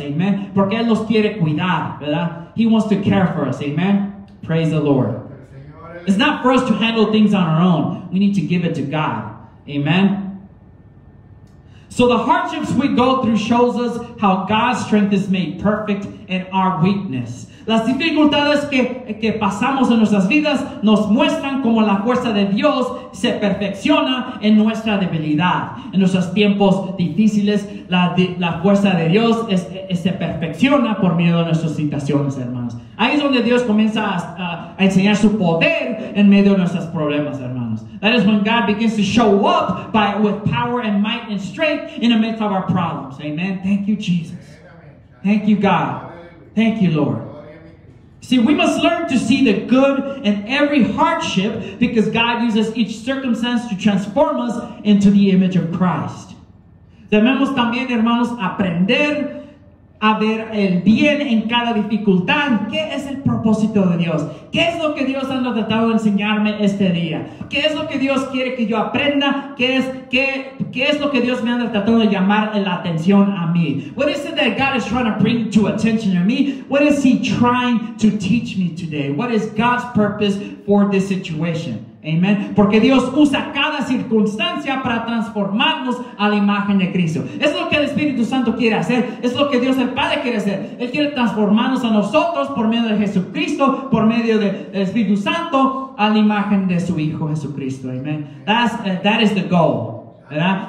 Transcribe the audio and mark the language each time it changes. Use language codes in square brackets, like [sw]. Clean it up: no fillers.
[en] Amen. [es] Porque Él los quiere cuidar, ¿verdad? [en] He wants to care for us. Amen. Praise the Lord. It's not for us to handle things on our own. We need to give it to God. Amen. So the hardships we go through shows us how God's strength is made perfect in our weakness. [es] Las dificultades que pasamos en nuestras vidas nos muestran cómo la fuerza de Dios se perfecciona en nuestra debilidad. En nuestros tiempos difíciles, la fuerza de Dios se perfecciona por medio de nuestras situaciones, hermanos. Ahí es donde Dios comienza a enseñar su poder en medio de nuestros problemas, hermanos. [en] That is when God begins to show up with power and might and strength in the midst of our problems. Amen. Thank you, Jesus. Thank you, God. Thank you, Lord. See, we must learn to see the good in every hardship because God uses each circumstance to transform us into the image of Christ. [es] Debemos también, hermanos, aprender a ver el bien en cada dificultad. ¿Qué es el propósito de Dios? ¿Qué es lo que Dios anda tratando de enseñarme este día? ¿Qué es lo que Dios quiere que yo aprenda? ¿Qué es lo que Dios me anda tratando de llamar la atención a mí? [en] What is it that God is trying to bring to attention to me? What is He trying to teach me today? What is God's purpose for this situation? Amen. [es] Porque Dios usa cada circunstancia para transformarnos a la imagen de Cristo. Es lo que el Espíritu Santo quiere hacer. Es lo que Dios el Padre quiere hacer. Él quiere transformarnos a nosotros por medio de Jesucristo, por medio del Espíritu Santo, a la imagen de su Hijo Jesucristo. Amen. [en] That is the goal. [es] ¿verdad?